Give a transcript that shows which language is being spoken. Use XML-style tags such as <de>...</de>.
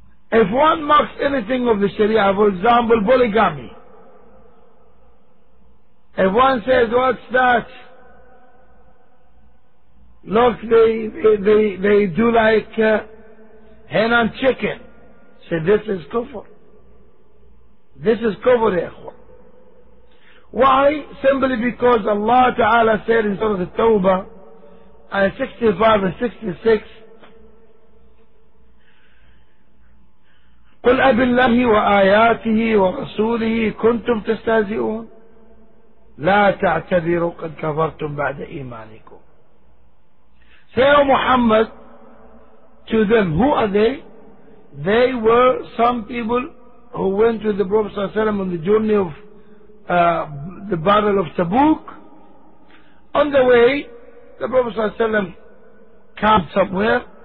<en>If one mocks anything of the Sharia, for example, polygamy, if one says, "What's that? Look, they do like hen and chicken," say, this is kufr. This is kufr, ikhwan. Why? Simply because Allah Ta'ala said in Surah At-Tawbah, 65 and 66,</en> <ar>قُلْ أَبِ اللَّهِ وَآيَاتِهِ وَرَسُولِهِ كُنْتُمْ تَسْتَهْزِئُونَ لَا تَعْتَذِرُوا قَدْ كَفَرْتُمْ بَعْدَ إِيمَانِكُمْ.</ar> <en>Say, O Muhammad, to them, who are they? They were some people who went to the Prophet Sallallahu Alaihi Wasallam on the journey of the Battle of Tabuk. On the way, the Prophet Sallallahu Alaihi Wasallam camped somewhere.</en>